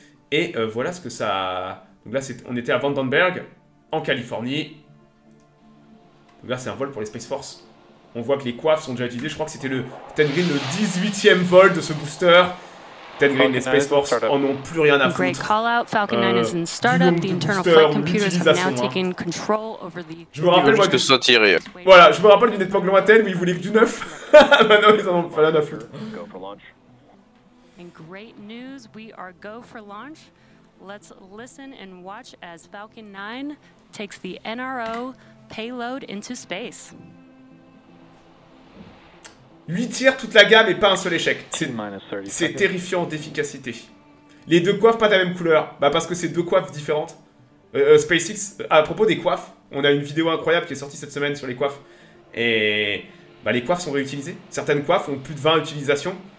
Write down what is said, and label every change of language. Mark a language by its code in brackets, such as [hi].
[fr] Et voilà ce que ça... Donc là, on était à Vandenberg, en Californie. Donc là, c'est un vol pour les Space Force. On voit que les coiffes sont déjà utilisées. Je crois que c'était le Ten Green, le 18e vol de ce booster. Ten Green, les Space Force en ont plus rien à foutre. [en] Great call out. Falcon 9 is in startup. The internal flight computers have now taken control over the... [fr] Je me rappelle juste que ce soit tiré. Voilà, je me rappelle d'une époque lointaine où ils voulaient que du neuf. Maintenant, ils en ont plus rien à foutre. [en] And great news, we are go for launch. Let's listen and watch as Falcon 9 takes the NRO payload into space. [fr] 8 tirs, toute la gamme et pas un seul échec. C'est terrifiant d'efficacité. Les deux coiffes, pas de la même couleur. Bah parce que c'est deux coiffes différentes. SpaceX, à propos des coiffes, on a une vidéo incroyable qui est sortie cette semaine sur les coiffes. Et bah les coiffes sont réutilisées. Certaines coiffes ont plus de 20 utilisations.